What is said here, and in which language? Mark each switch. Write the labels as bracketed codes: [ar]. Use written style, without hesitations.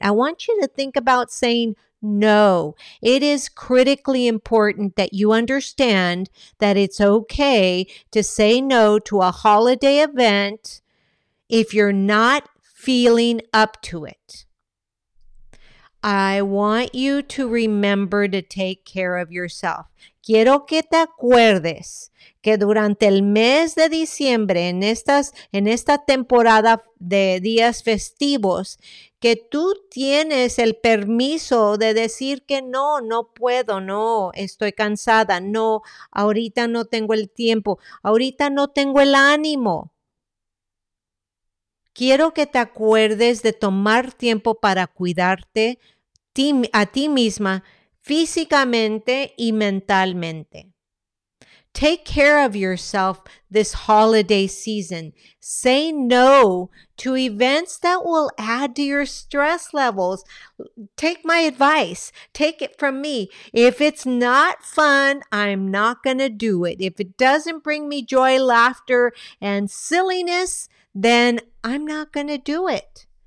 [en] I want you to think about saying no. It is critically important that you understand that it's okay to say no to a holiday event if you're not feeling up to it. I want you to remember to take care of yourself. [es] Quiero que te acuerdes que durante el mes de diciembre, en esta temporada de días festivos, que tú tienes el permiso de decir que no, no puedo, no, estoy cansada, no, ahorita no tengo el tiempo, ahorita no tengo el ánimo. Quiero que te acuerdes de tomar tiempo para cuidarte a ti misma, físicamente y mentalmente. [en] Take care of yourself this holiday season. Say no to events that will add to your stress levels. Take my advice. Take it from me. If it's not fun, I'm not going to do it. If it doesn't bring me joy, laughter, and silliness, then I'm not going to do it.